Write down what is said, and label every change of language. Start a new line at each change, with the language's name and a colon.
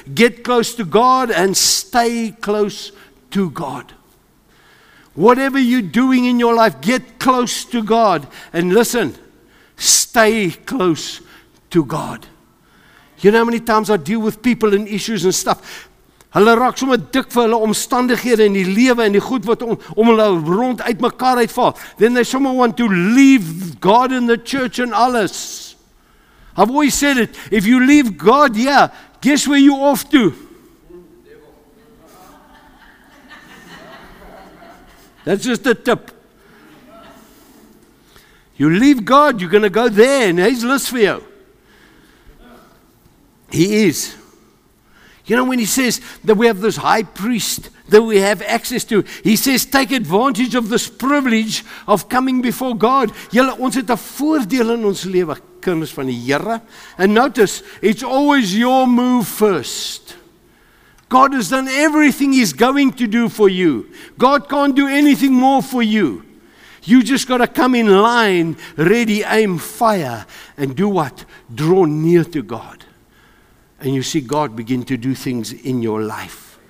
English: Get close to God and stay close to God. Whatever you're doing in your life, get close to God. And listen, stay close to God. You know how many times I deal with people and issues and stuff?
Afrikaans: Hulle raak sommer dik vir hulle omstandighede in die lewe en die goed wat om hulle rond uit mekaar uitval.
English: Then they sommer want to leave God in the church and alles. I've always said it, if you leave God, yeah, guess where you off to? That's just a tip. You leave God, you're going to go there and he's list for you. He is. You know, when he says that we have this high priest that we have access to, he says, take advantage of this privilege of coming before God.
Afrikaans: Julle, ons het 'n voordeel in ons lewe, kinders van die Here.
English: And notice, it's always your move first. God has done everything he's going to do for you. God can't do anything more for you. You just got to come in line, ready, aim, fire, and do what? Draw near to God. And you see God begin to do things in your life.